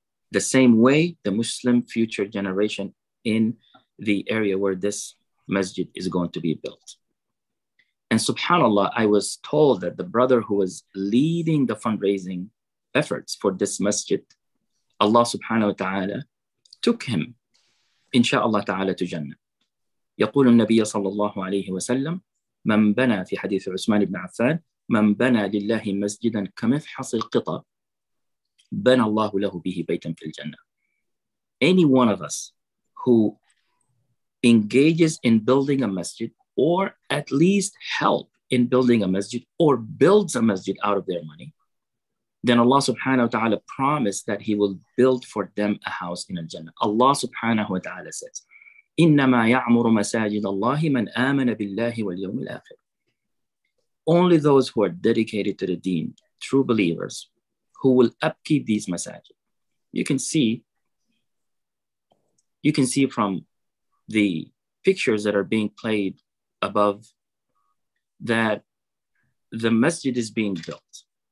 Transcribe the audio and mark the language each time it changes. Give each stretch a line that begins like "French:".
English: The same way the Muslim future generation in the area where this masjid is going to be built. And subhanAllah, I was told that the brother who was leading the fundraising efforts for this masjid, Allah subhanahu wa ta'ala, took him, inshaAllah ta'ala, to Jannah.
Arabic: يقول النبي صلى الله عليه وسلم من بنى في حديث عثمان بن عفان من بنى لله مسجدا كمفحص القطى بنى الله له به بيتا في الجنة.
English: Any one of us who engages in building a masjid or at least help in building a masjid or builds a masjid out of their money, then Allah subhanahu wa ta'ala promised that he will build for them a house in al-Jannah. Allah subhanahu wa ta'ala says,
Arabic: إِنَّمَا يَعْمُرُ مَسَاجِدَ اللَّهِ مَنْ آمَنَ بِاللَّهِ وَالْيَوْمِ الْآخِرِ.
English: Only those who are dedicated to the deen, true believers, who will upkeep these masajid. You can see from the pictures that are being played above that the masjid is being built.